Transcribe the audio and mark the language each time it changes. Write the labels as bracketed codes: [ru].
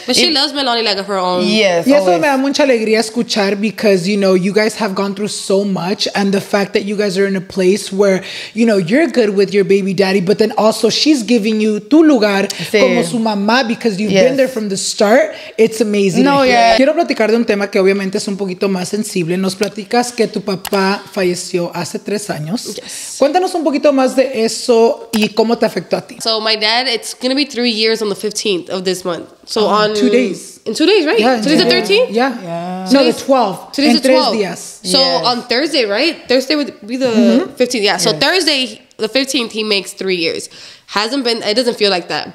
[en] but she loves Melanie like of her own. Yes, Y eso me da mucha alegría escuchar, because, you know, you guys have gone through so much, and the fact that you guys are in a place where, you know, you're good with your baby daddy, but then also she's giving you tu lugar como su mamá, because you've been there from the start. It's amazing. No, [es] quiero platicar de un tema que obviamente es un poquito más sensible. Nos platicas que tu papá falleció hace 3 años. [en] Yes. [es] Cuéntanos un poquito más de eso y cómo te afectó a ti. [en] So my dad, it's gonna be 3 years on the 15th of this month. So on 2 days. In 2 days, right? Yeah, today's the 13th? Yeah. No, the 12th. Today's the 12th. So on Thursday, right? Thursday would be the 15th. Yeah, so Thursday, the 15th, he makes 3 years. Hasn't been, it doesn't feel like that.